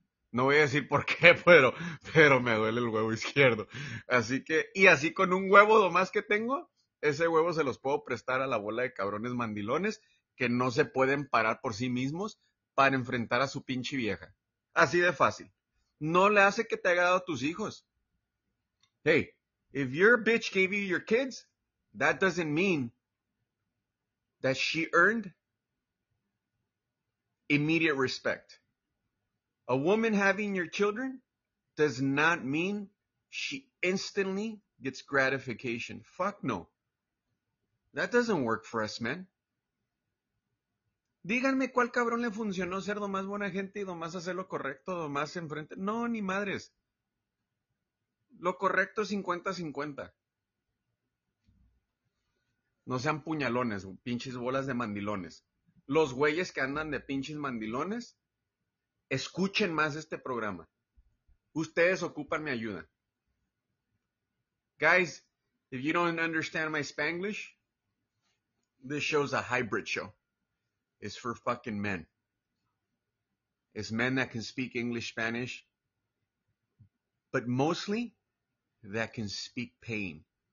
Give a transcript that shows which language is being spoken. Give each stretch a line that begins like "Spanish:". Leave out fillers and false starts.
Spanish: No voy a decir por qué, pero me duele el huevo izquierdo. Así que, y así con un huevo nomás que tengo, ese huevo se los puedo prestar a la bola de cabrones mandilones que no se pueden parar por sí mismos para enfrentar a su pinche vieja. Así de fácil. No le hace que te haga dado a tus hijos.
English: Hey, if your bitch gave you your kids, that doesn't mean that she earned immediate respect. A woman having your children does not mean she instantly gets gratification. Fuck no. That doesn't work for us men.
Spanish: Díganme cuál cabrón le funcionó ser lo más buena gente y lo más hacer lo correcto, lo más enfrente. No, ni madres. Lo correcto es 50-50. No sean puñalones, pinches bolas de mandilones. Los güeyes que andan de pinches mandilones, escuchen más este programa. Ustedes ocupan mi ayuda.
English: Guys, if you don't understand my Spanglish, this show's a hybrid show. It's for fucking men. It's men that can speak English, Spanish, but mostly that can speak pain.